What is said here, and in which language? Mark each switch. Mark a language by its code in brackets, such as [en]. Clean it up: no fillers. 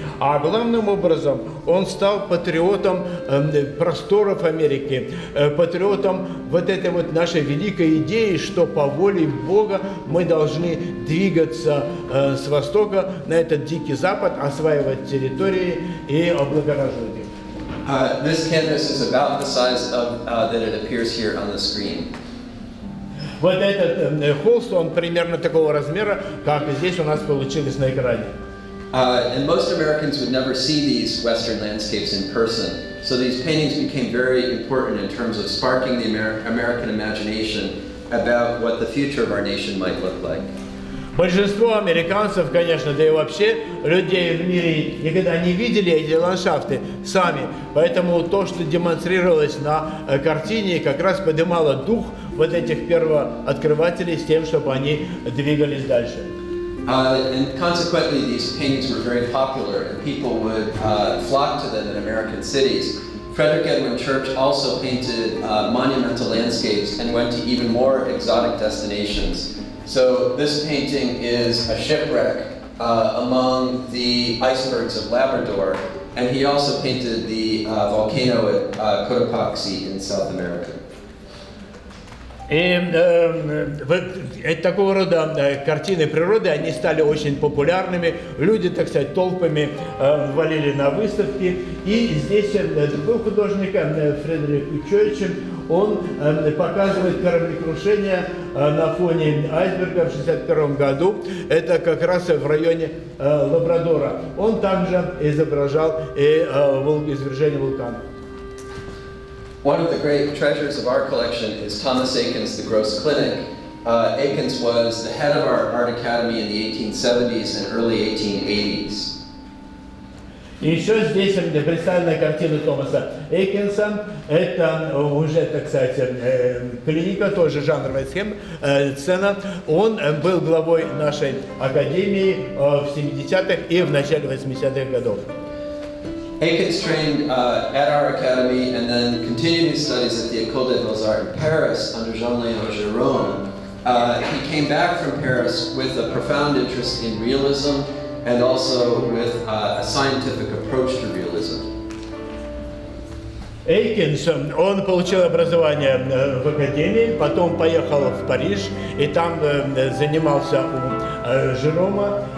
[ru] А главным образом он стал патриотом просторов Америки, патриотом вот этой вот нашей великой идеи, что по воле Бога мы должны двигаться с востока на этот дикий запад, осваивать территории и облагораживать их. [en] This canvas is about the size of, that it appears here on the screen. [ru] Вот этот холст, он примерно такого размера, как здесь у нас получилось на экране. [en] And most Americans would never see these Western landscapes in person. So these paintings became very important in terms of sparking the American imagination about what the future of our nation might look like. [ru] Большинство американцев, конечно, да и вообще людей в мире никогда не видели эти ландшафты сами. Поэтому то, что демонстрировалось на картине, как раз поднимало дух вот этих первооткрывателей с тем, чтобы они двигались дальше. [en] And consequently, these paintings were very popular, and people would flock to them in American cities. Frederick Edwin Church also painted monumental landscapes and went to even more exotic destinations. So this painting is a shipwreck among the icebergs of Labrador, and he also painted the volcano at Cotopaxi in South America. [ru] И вот такого рода картины природы, они стали очень популярными. Люди, так сказать, толпами валили на выставки. И здесь другой художник, Фредерик Чойч, он показывает кораблекрушение на фоне айсберга в 61-м году. Это как раз в районе Лабрадора. Он также изображал и извержение вулкана. [en] One of the great treasures of our collection is Thomas Aikens' The Gross Clinic. Aikens was the head of our art academy in the 1870s and early 1880s. [ru] Еще здесь представлена картина Томаса Эйкенса. Это уже, так сказать, клиника, тоже жанровая схема, сцена. Он был главой нашей академии в 70-х и в начале 80-х годов. [en] Aikens trained at our academy and then continued his studies at the École des Beaux-Arts in Paris under Jean-Léon Gérôme. He came back from Paris with a profound interest in realism and also with a scientific approach to realism. [ru] Aikens, он получил образование в академии, потом поехал в Париж и там занимался у Жерома.